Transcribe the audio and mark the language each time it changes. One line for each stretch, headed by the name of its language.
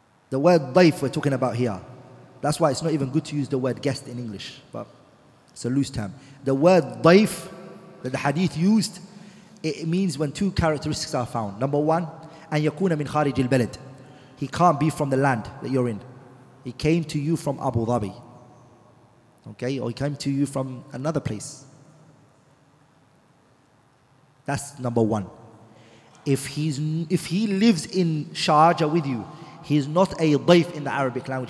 English: The word ضيف we're talking about here. That's why it's not even good to use the word guest in English. But it's a loose term. The word ضيف that the hadith used, it means when two characteristics are found.
Arabic: Number one, أن يكون من خارج البلد.
English: He can't be from the land that you're in. He came to you from Abu Dhabi. Okay, or he came to you from another place. That's number one. If he lives in Sharjah with you, he's not a ضيف in the Arabic language.